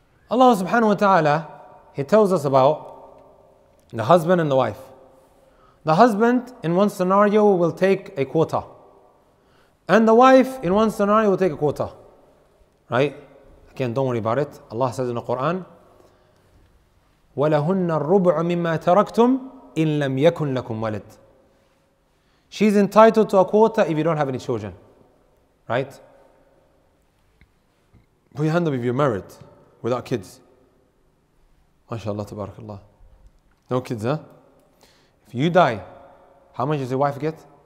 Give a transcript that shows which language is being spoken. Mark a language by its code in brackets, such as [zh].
[en] Allah subhanahu wa ta'ala, He tells us about the husband and the wife. The husband, in one scenario, will take a quota. And the wife, in one scenario, will take a quota. Right? Again, don't worry about it. Allah says in the Quran, [ar] وَلَهُنَّ الرُّبْعُ مِمَّا تَرَكْتُمْ إِن لَمْ يَكُنْ لَكُمْ وَلَدْ. [en] She's entitled to a quota if you don't have any children. Right? Put your hand up if you're married without kids. MashaAllah, tabarakAllah. No kids, huh? If you die, how much does your wife get?